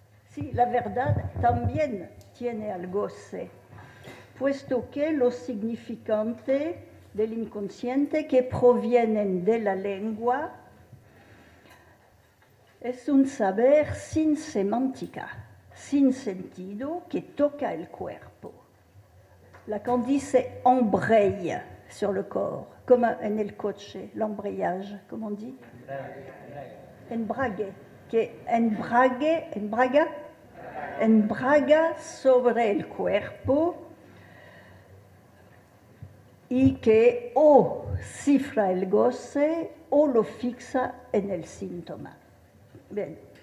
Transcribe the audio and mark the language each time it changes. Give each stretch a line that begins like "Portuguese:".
Spanish: Sí, la verdad también tiene al goce, puesto que los significantes del inconsciente que provienen de la lengua es un saber sin semántica, sin sentido, que toca el cuerpo.
French: Lacan
Spanish: dice
French: embraye sur le corps, comme
Spanish: en el coche,
French: l'embrayage, comme on dit?
Spanish: Embrague. Que embrague, embraga, embraga sobre el cuerpo y que o cifra el goce o lo fixa en el síntoma. Bien.